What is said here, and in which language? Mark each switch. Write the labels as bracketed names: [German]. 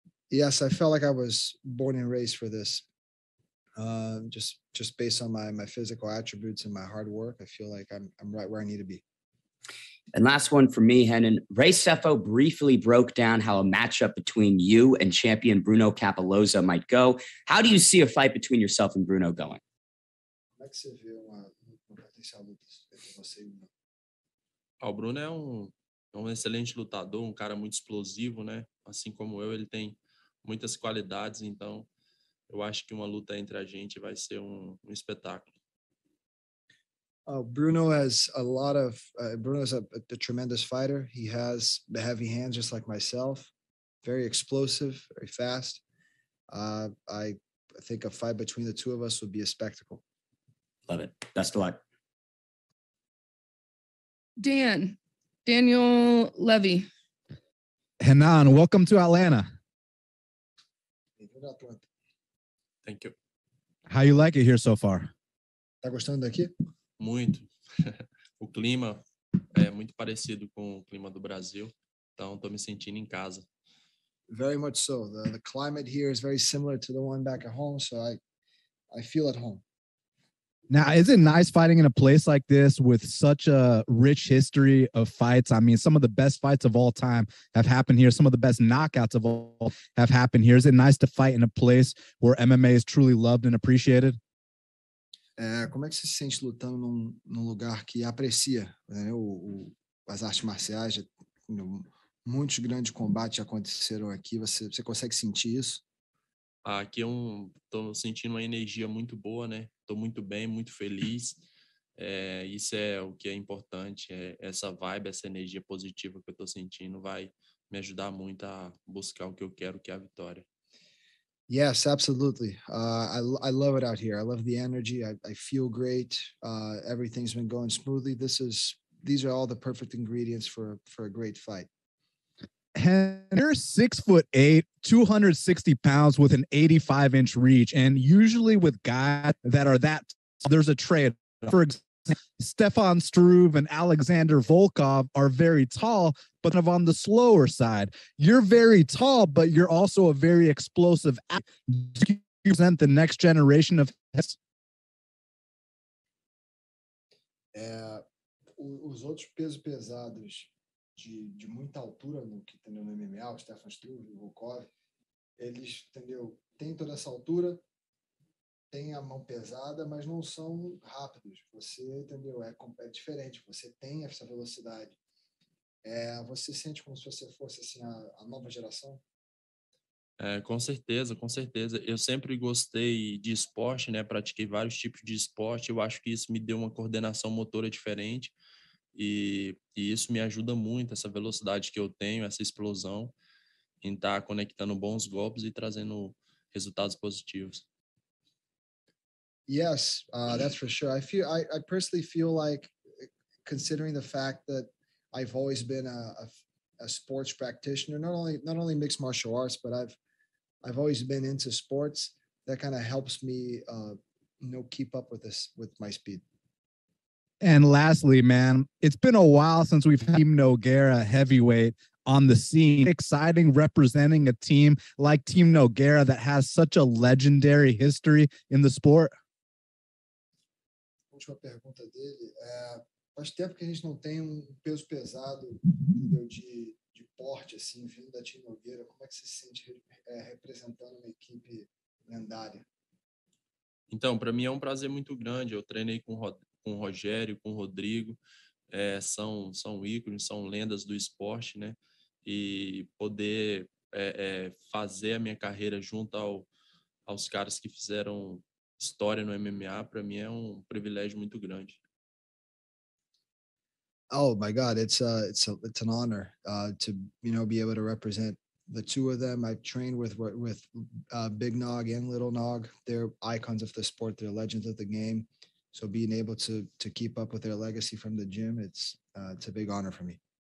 [English] Yes, I felt like I was born and raised for this. Just based on my physical attributes and my hard work, I feel like I'm right where I need to be. And last one for me, Henan. Ray Sefo briefly broke down how a matchup between you and champion Bruno Capelosa might go. How do you see a fight between yourself and Bruno going? [Portuguese] Como é que você vê uma potencial luta entre você e Bruno? O Bruno é um excelente lutador, um cara muito explosivo, né? Assim como eu, ele tem muitas qualidades, então eu acho que uma luta entre a gente vai ser um espetáculo. [English] Bruno has a lot of Bruno's a tremendous fighter. He has heavy hands just like myself, very explosive, very fast. I think a fight between the two of us would be a spectacle. Love it. Best of luck. Daniel Levy. Henan, welcome to Atlanta. Thank you. How you like it here so far? [Portuguese] Tá gostando daqui? Muito. O clima é muito parecido com o clima do Brasil. Então, tô me sentindo em casa. [English] Very much so. The climate here is very similar to the one back at home, so I feel at home. Now, is it nice fighting in a place like this with such a rich history of fights? I mean, some of the best fights of all time have happened here. Some of the best knockouts of all have happened here. Is it nice to fight in a place where MMA is truly loved and appreciated? [Portuguese] Como é que você se sente lutando num lugar que aprecia, né, as artes marciais? Muitos grandes combates aconteceram aqui. Você consegue sentir isso? Aqui tô sentindo uma energia muito boa, né? Tô muito bem, muito feliz. Isso é o que é importante, é essa vibe, essa energia positiva que eu tô sentindo vai me ajudar muito a buscar o que eu quero, que é a vitória. [English] Yes, absolutely. I love it out here. I love the energy. I feel great. Everything's been going smoothly. These are all the perfect ingredients for a great fight. You're 6'8", 260 pounds with an 85-inch reach. And usually with guys that are that tall, there's a trade. For example, Stefan Struve and Alexander Volkov are very tall, but kind of on the slower side. You're very tall, but you're also a very explosive athlete. Do you represent the next generation of athletes? [Portuguese] Os outros pesos pesados de muita altura no que tem no MMA, o Stefan Struve, o Volkov, eles, entendeu, têm toda essa altura, têm a mão pesada, mas não são rápidos. Você, entendeu, é diferente, você tem essa velocidade. Você sente como se você fosse assim a nova geração? Com certeza. Eu sempre gostei de esporte, né? Pratiquei vários tipos de esporte. Eu acho que isso me deu uma coordenação motora diferente. E isso me ajuda muito, essa velocidade que eu tenho, essa explosão, em estar conectando bons golpes e trazendo resultados positivos. [English] Yes, that's for sure. I feel I personally feel like, considering the fact that I've always been a sports practitioner, not only mixed martial arts, but I've always been into sports. That kind of helps me, keep up with this with my speed. And lastly, man, it's been a while since we've had Team Noguera heavyweight on the scene. Exciting representing a team like Team Noguera that has such a legendary history in the sport. [Portuguese] Última pergunta dele. Faz tempo que a gente não tem peso pesado de porte, assim, vindo da Team Noguera. Como é que você se sente representando uma equipe lendária? Então, para mim é um prazer muito grande. Eu treinei com o Rogério, com o Rodrigo. São ícones, são lendas do esporte, né? E poder fazer a minha carreira junto aos caras que fizeram história no MMA, para mim é um privilégio muito grande. [English] Oh my God, it's an honor to, you know, be able to represent the two of them. I've trained with Big Nog and Little Nog. They're icons of the sport, they're legends of the game. So being able to keep up with their legacy from the gym, it's a big honor for me.